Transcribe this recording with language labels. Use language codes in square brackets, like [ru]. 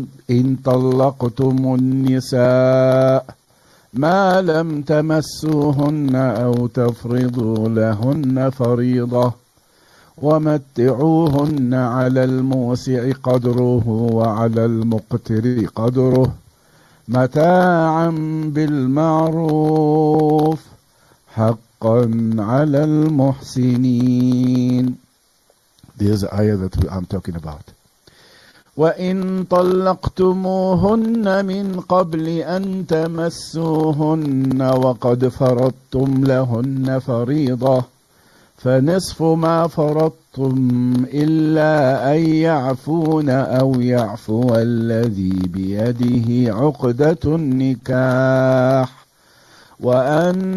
[ar] إن طلقتم النساء ما لم تمسوهن أو تفرضوا لهن فريضة ومتعوهن على الموسع قدره وعلى المقتر قدره متاعا بالمعروف حقا على المحسنين. [en] This is the ayah that I'm talking about. [ar] وإن طلقتموهن من قبل أن تمسوهن وقد فرضتم لهن فريضة فنصف ما فرضتم إلا أن يعفون أو يعفو الذي بيده عقدة النكاح وأن